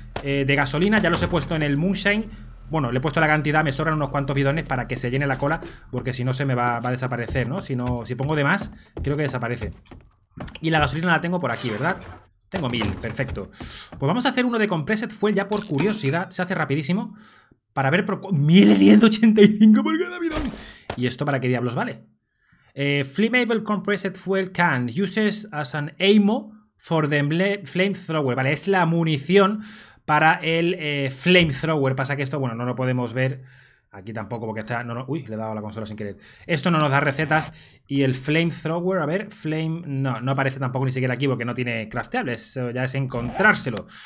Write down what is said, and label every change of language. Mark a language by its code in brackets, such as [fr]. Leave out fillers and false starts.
[es] de gasolina, ya los he puesto en el moonshine. Bueno, le he puesto la cantidad, me sobran unos cuantos bidones para que se llene la cola, porque si no se me va a desaparecer, ¿no? Si pongo de más, creo que desaparece. Y la gasolina la tengo por aquí, ¿verdad? Tengo 1000, perfecto. Pues vamos a hacer uno de compressed fuel ya por curiosidad. Se hace rapidísimo. Para ver por 1185 por cada bidón. ¿Y esto para qué diablos vale? [en] Flammable compressed fuel can uses as an ammo for the flamethrower. [es] Vale, es la munición para el flamethrower. Pasa que esto, bueno, no lo podemos ver aquí tampoco porque está... No, uy, le he dado a la consola sin querer. Esto no nos da recetas. Y el flamethrower, a ver, flame... No, no aparece tampoco ni siquiera aquí porque no tiene crafteables. Eso ya es encontrárselo.